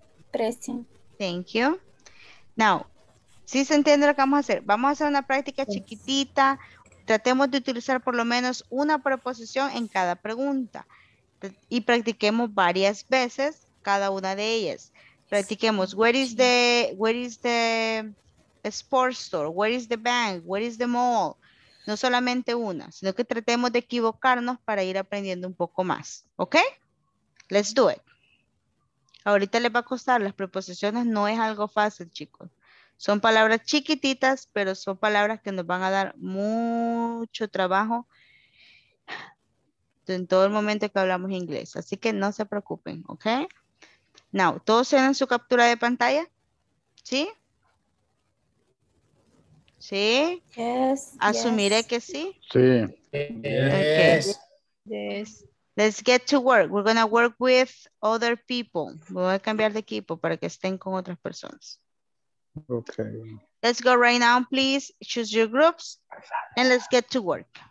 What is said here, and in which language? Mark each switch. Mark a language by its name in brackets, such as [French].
[English] Present. Thank you. [Spanish] Now, ¿sí se entiende lo que vamos a hacer? Vamos a hacer una práctica chiquitita. Tratemos de utilizar por lo menos una preposición en cada pregunta. Y practiquemos varias veces cada una de ellas. Practiquemos, [English] where is the sports store, where is the bank, where is the mall. [Spanish] No solamente una, sino que tratemos de equivocarnos para ir aprendiendo un poco más. [English] Ok, let's do it. [Spanish] Ahorita les va a costar, las preposiciones no es algo fácil, chicos. Son palabras chiquititas, pero son palabras que nos van a dar mucho trabajo en todo el momento que hablamos inglés. Así que no se preocupen, ok. Now, ¿todos tienen su captura de pantalla? ¿Sí? ¿Sí? [English] Yes. [Spanish] ¿Asumiré que sí? Sí. [English] Yes. Okay. Yes. Let's get to work. We're going to work with other people. [Spanish] Voy a cambiar de equipo para que estén con otras personas. [English] Okay. Let's go right now, please. Choose your groups and let's get to work.